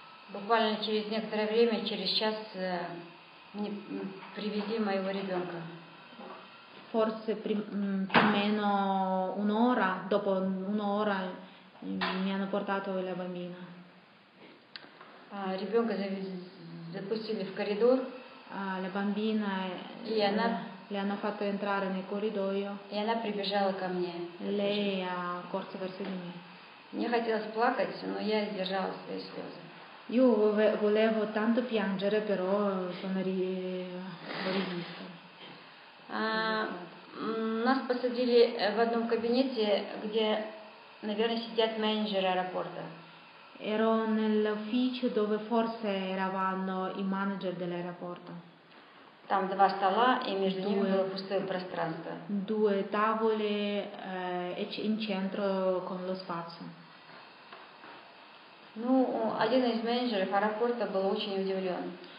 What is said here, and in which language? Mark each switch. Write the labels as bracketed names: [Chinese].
[Russian] Буквально через некоторое время, через час, мне привезли моего ребенка. [Italian] Forse più o meno un'ora, dopo un'ora, mi hanno portato la bambina. [Russian] Ребенка завезли. Запустили в коридор. [Italian] La bambina le hanno fatto entrare nel corridoio. [Russian] E она прибежала ко мне. [Italian] Lei ha corso verso di me. [Russian] Мне хотелось плакать, но я сдержала свои слезы. [Italian] Io volevo tanto piangere, però sono resistita. [Russian] Нас посадили в одном кабинете, где, наверное, сидят менеджеры аэропорта. [Italian] Ero nell'ufficio dove forse eravamo i manager dell'aeroporto. [Russian] Там два стола и между ними было пустое пространство. [Italian] Due tavole in centro con lo spazio. [Russian] Ну, один из менеджеров аэропорта был очень удивлен.